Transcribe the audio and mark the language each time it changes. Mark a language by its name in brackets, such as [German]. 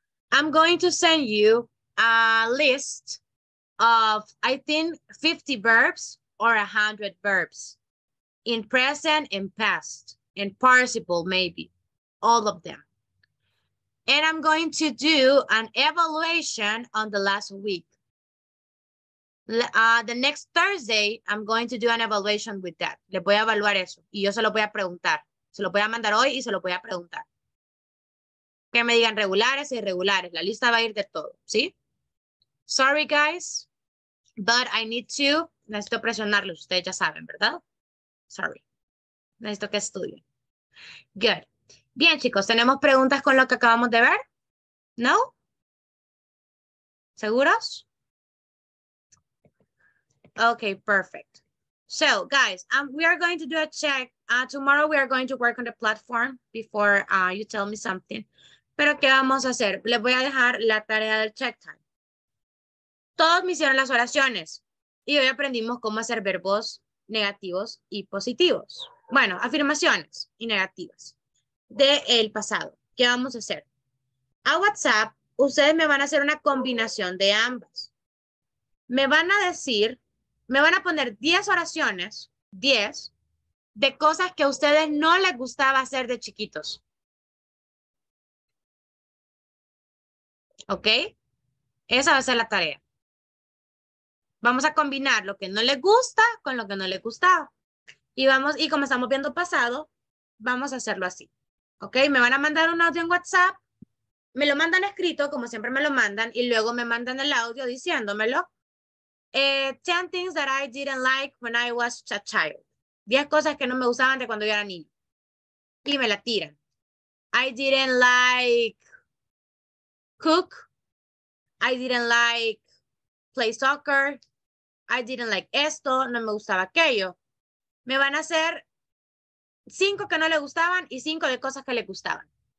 [English] I'm going to send you a list of, I think, 50 verbs or 100 verbs in present, in past, in participle, maybe, all of them. And I'm going to do an evaluation on the last week. The next Thursday, I'm going to do an evaluation with that. [Spanish] Le voy a evaluar eso y yo se lo voy a preguntar. Se lo voy a mandar hoy y se lo voy a preguntar. Que me digan regulares e irregulares. La lista va a ir de todo, ¿sí? [English] Sorry, guys, but I need to. [Spanish] Necesito presionarlos. Ustedes ya saben, ¿verdad? Sorry. Necesito que estudien. Good. Bien, chicos, ¿tenemos preguntas con lo que acabamos de ver? ¿No? ¿Seguros? [English] Okay, perfect. So, guys, we are going to do a check. Tomorrow we are going to work on the platform before you tell me something. [Spanish] Pero, ¿qué vamos a hacer? Les voy a dejar la tarea del check time. Todos me hicieron las oraciones y hoy aprendimos cómo hacer verbos negativos y positivos. Bueno, afirmaciones y negativas del pasado. ¿Qué vamos a hacer? A WhatsApp, ustedes me van a hacer una combinación de ambas. Me van a decir... Me van a poner 10 oraciones, 10, de cosas que a ustedes no les gustaba hacer de chiquitos. ¿Ok? Esa va a ser la tarea. Vamos a combinar lo que no les gusta con lo que no les gustaba. Y como estamos viendo pasado, vamos a hacerlo así. ¿Ok? Me van a mandar un audio en WhatsApp. Me lo mandan escrito, como siempre me lo mandan, y luego me mandan el audio diciéndomelo. [English] 10 things that I didn't like when I was a child. [Spanish] 10 cosas que no me gustaban de cuando yo era niño. Y me la tiran. [English] I didn't like cook. I didn't like play soccer. I didn't like esto. [Spanish] No me gustaba aquello. Me van a hacer 5 que no le gustaban y 5 de cosas que le gustaban.